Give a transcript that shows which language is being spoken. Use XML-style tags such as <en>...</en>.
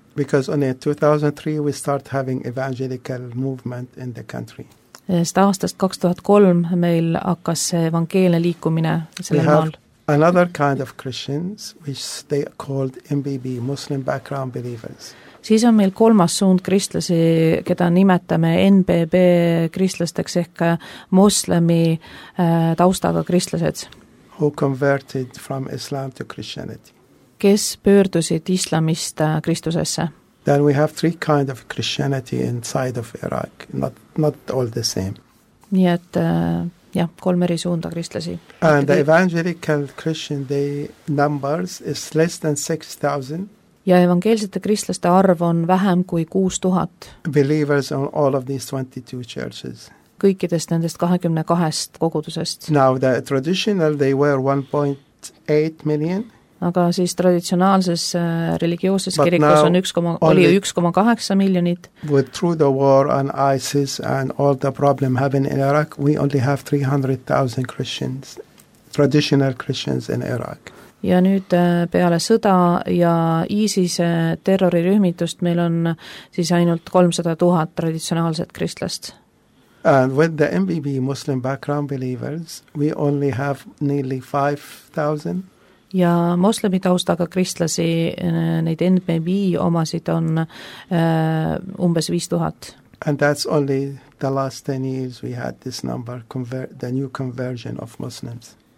<en>Because on 2003 we start having evangelical movement in the country.</en> <et>Sest aastast 2003 meil hakkas see evangeelne liikumine sellel maal.</et> <en>Another kind of Christians which they called MBB, Muslim background believers.</en> <et>Siis on meil kolmas suund kristlasi, keda nimetame NBB kristlasteks ehk muslimi taustaga kristlased.</et> <en>Who converted from Islam to Christianity.</en> <et>Kes pöördusid islamist kristusesse.</et> <en>Then we have three kind of Christianity inside of Iraq, not all the same.</en> <et>Nii et ja kolm eri suunda kristlasi.</et> <en>And the evangelical Christian, the numbers is less than 6,000.</en> <et>Ja evangeelsete kristlaste arv on vähem kui 6,000.</et> <en>Believers on all of these 22 churches.</en> <et>Kõikidest nendest 22 kogudusest.</et> <en>Now the traditional, they were 1.8 million.</en> <et>Aga siis traditsionaalses religioosses kirikus on oli 1,8 miljonit.</et> <en>With through the war and ISIS and all the problem having in Iraq, we only have 300,000 Christians, traditional Christians in Iraq.</en> <et>Ja nüüd peale sõda ja ISIS terrorirühmitust meil on siis ainult 300 000 traditsionaalset kristlast.</et> <en>And with the MBB Muslim background believers, we only have nearly 5,000.</en> <et>Ja moslemi taustaga kristlasi, neid NBB omasid on umbes 5,000.</et> <en>And that's only the last 10 years we had this number, the new conversion of Muslims.</en>